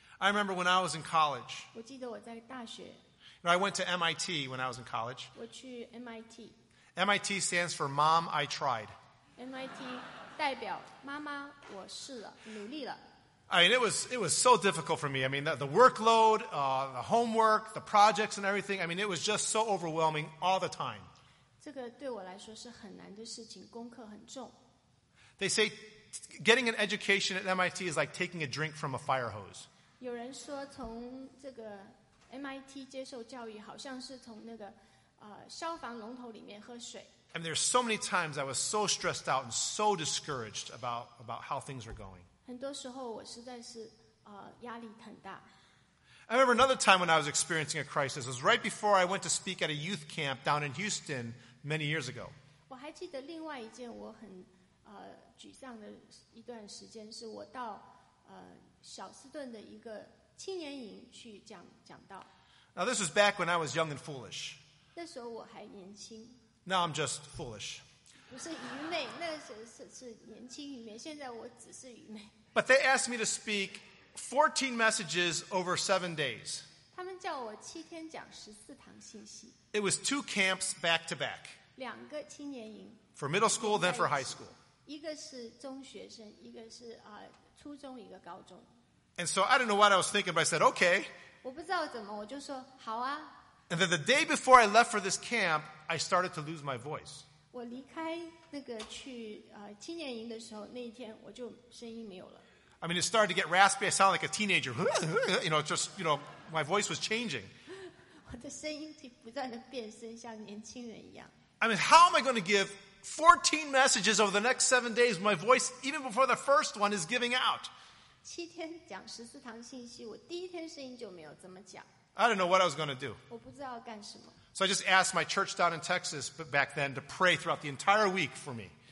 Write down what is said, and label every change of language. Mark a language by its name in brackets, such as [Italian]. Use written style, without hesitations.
[English] I remember when I was in college. [Chinese] 我记得我在大学。 [English] You know, I went to MIT when I was in college. [Chinese] 我去 MIT。 [English] MIT stands for Mom, I Tried. [Chinese] MIT 代表妈妈，我试了，努力了。 [English] I mean, it was so difficult for me. I mean, the workload, the homework, the projects and everything, I mean, it was just so overwhelming all the time. [Chinese] 这个对我来说是很难的事情，功课很重。 [English] They say getting an education at MIT is like taking a drink from a fire hose. [Chinese] 有人说从这个 MIT 接受教育好像是从那个消防龙头里面喝水。 [English] I mean, there's so many times I was so stressed out and so discouraged about how things were going. [Chinese] 很多时候我实在是压力很大。 [English] I remember another time when I was experiencing a crisis. It was right before I went to speak at a youth camp down in Houston many years ago. [Chinese] 我还记得另外一件我很沮丧的一段时间是我到小斯顿的一个青年营去讲道。 [English] Now this was back when I was young and foolish. [Chinese] 那时候我还年轻。 [English] Now I'm just foolish. [Chinese] 不是愚昧，那个时候是年轻愚昧，现在我只是愚昧。 [English] But they asked me to speak 14 messages over 7 days. [Chinese] 他们叫我七天讲十四堂信息。 [English] It was two camps back to back. [Chinese] 两个青年营。 [English] For middle school, then for high school. [Chinese] 一个是中学生，一个是初中，一个高中。 [English] And so I don't know what I was thinking, but I said, okay. [Chinese] 我不知道怎么，我就说好啊。 [English] And then the day before I left for this camp, I started to lose my voice. [Chinese] 我离开那个去青年营的时候，那一天我就声音没有了。 [English] I mean, it started to get raspy. I sound like a teenager. You know, just you know, my voice was changing. [Chinese] 我的声音就不断的变声，像年轻人一样。 [English] I mean, how am I going to give 14 messages over the next 7 days? My voice, even before the first one, is giving out. [Chinese] 七天讲十四堂信息，我第一天声音就没有，怎么讲？ [English] I don't know what I was going to do. [Chinese] 我不知道要干什么。 [English] So I just asked my church down in Texas back then to pray throughout the entire week for me.